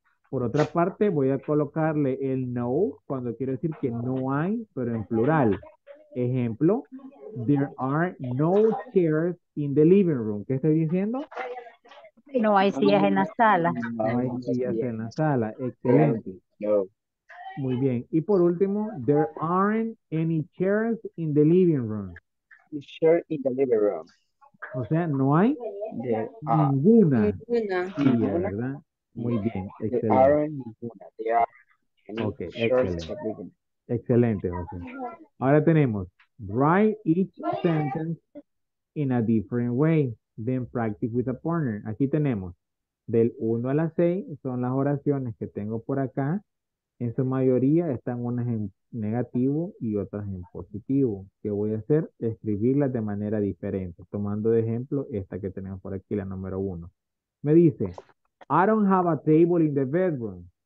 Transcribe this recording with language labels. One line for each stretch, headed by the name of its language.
Spanish: Por otra parte, voy a colocarle el no cuando quiero decir que no hay, pero en plural. Ejemplo,
English: there are no chairs in the living room.
Spanish: ¿Qué estoy diciendo? No hay sillas en la sala. No hay sillas en la sala. Excelente. Muy bien. Y por último,
English: there aren't any chairs in the living room. Chairs in the living room.
Spanish: O sea, no hay ninguna silla, ¿verdad? Muy bien. Excelente.
English: There aren't
Spanish: ninguna.
English: There aren't any chairs in the living room.
Spanish: Excelente,
English: José.
Spanish: Ahora tenemos,
English: write each sentence in a different way, then practice with a partner.
Spanish: Aquí tenemos, del 1 a la 6 son las oraciones que tengo por acá. En su mayoría están unas en negativo y otras en positivo. ¿Qué voy a hacer? Escribirlas de manera diferente, tomando de ejemplo esta que tenemos por aquí, la número 1. Me dice,
English: I don't have a table in the bedroom.